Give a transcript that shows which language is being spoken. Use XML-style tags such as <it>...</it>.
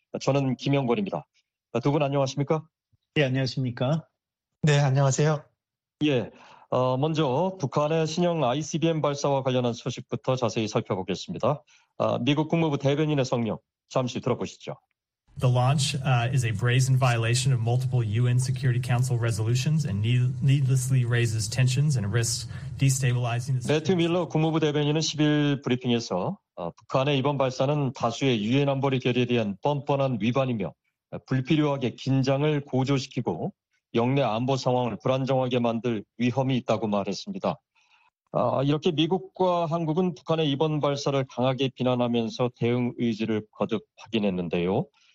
<ko>저는 김영권입니다. 두 분 안녕하십니까? 네, 안녕하십니까? 네, 안녕하세요. 예, 먼저 북한의 신형 ICBM 발사와 관련한 소식부터 자세히 살펴보겠습니다. 미국 국무부 대변인의 성명 잠시 들어보시죠.</ko> <en>The launch is a brazen violation of multiple UN Security Council resolutions and needlessly raises tensions and risks destabilizing the situation.</en> <ko>매튜 밀러 국무부 대변인은 10일 브리핑에서 북한의 이번 발사는 다수의 유엔 안보리 결의에 대한 뻔뻔한 위반이며 불필요하게 긴장을 고조시키고 영내 안보 상황을 불안정하게 만들 위험이 있다고 말했습니다. 이렇게 미국과 한국은 북한의 이번 발사를 강하게 비난하면서 대응 의지를 거듭 확인했는데요.</ko>